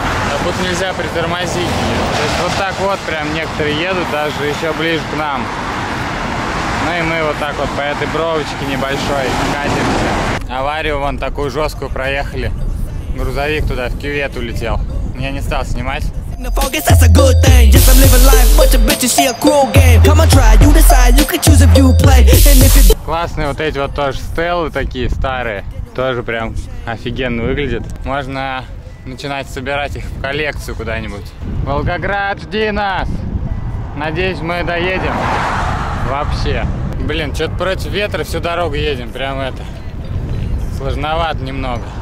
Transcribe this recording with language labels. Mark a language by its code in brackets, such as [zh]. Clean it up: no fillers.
[ru] Как будто нельзя притормозить. То есть вот так вот прям некоторые едут, даже еще ближе к нам. Ну и мы вот так вот по этой бровочке небольшой катимся. Аварию вон такую жесткую проехали. Грузовик туда в кювет улетел. Я не стал снимать. [en] Focus, that's a good thing. Yes, I'm living life, but your bitches see a cruel game. Come on, try, you decide, you can choose if you play. And if you... [ru] Классные вот эти вот тоже стелы такие старые. Тоже прям офигенно выглядят. Можно начинать собирать их в коллекцию куда-нибудь. Волгоград, жди нас! Надеюсь, мы доедем. Вообще. Блин, что-то против ветра всю дорогу едем. Прям это... Сложновато немного.